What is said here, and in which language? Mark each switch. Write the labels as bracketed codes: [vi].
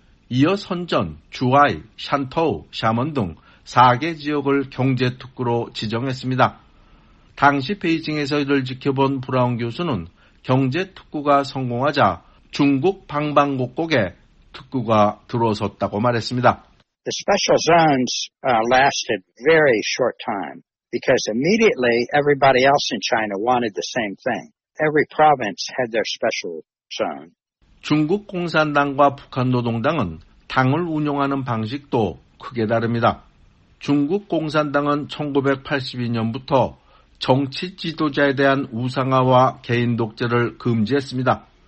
[ko] 이어 선전, 주하이, 샨토우, 샤먼 등 4개 지역을 경제특구로 지정했습니다. 당시 베이징에서 이를 지켜본 브라운 교수는 경제특구가 성공하자 중국 방방곡곡에 특구가 들어섰다고 말했습니다. [en] The special zones lasted very short time because immediately everybody else in China wanted the same thing. Every province had their special zone. [ko] 중국 공산당과 북한 노동당은 당을 운영하는 방식도 크게 다릅니다. 중국 공산당은 1982년부터 정치 지도자에 대한 우상화와 개인 독재를 금지했습니다.